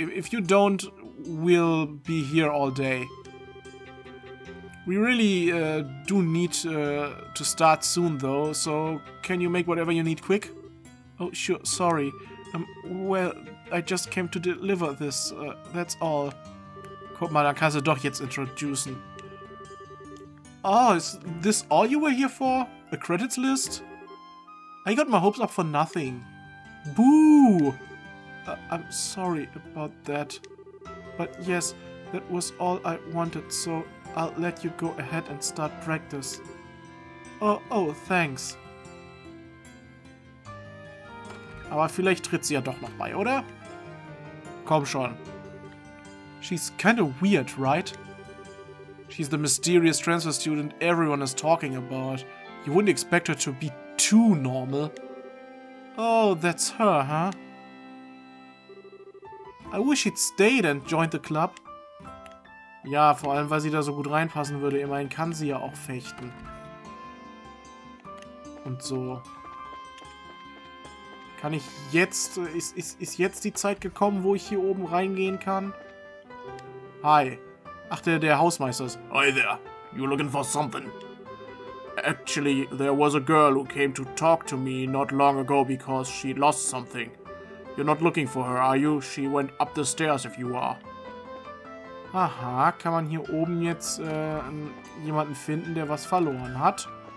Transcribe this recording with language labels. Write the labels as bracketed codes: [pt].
[en] If you don't, we'll be here all day. We really do need to start soon, though, so can you make whatever you need quick? Oh, sure, sorry. Well, I just came to deliver this, that's all. [de] Guck mal, dann kannst du doch jetzt introducen. [en] Oh, is this all you were here for? A credits list? I got my hopes up for nothing. Boo! I'm sorry about that. But yes, that was all I wanted, so I'll let you go ahead and start practice. Oh, thanks. [de] Aber vielleicht tritt sie ja doch noch bei, oder? Komm schon. [en] She's kind of weird, right? She's the mysterious transfer student everyone is talking about. You wouldn't expect her to be too normal. Oh, that's her, huh? I wish she'd stayed and joined the club. [de] Ja, vor allem, weil sie da so gut reinpassen würde. Immerhin kann sie ja auch fechten. Und so. Kann ich jetzt... Ist jetzt die Zeit gekommen, wo ich hier oben reingehen kann? Hi. Ach, der Hausmeister ist... [en] Hi there. You're looking for something. Actually, there was a girl who came to talk to me not long ago because she lost something. You're not looking for her, are you? She went up the stairs if you are. [de] Aha, kann man hier oben jetzt jemanden finden, der was verloren hat?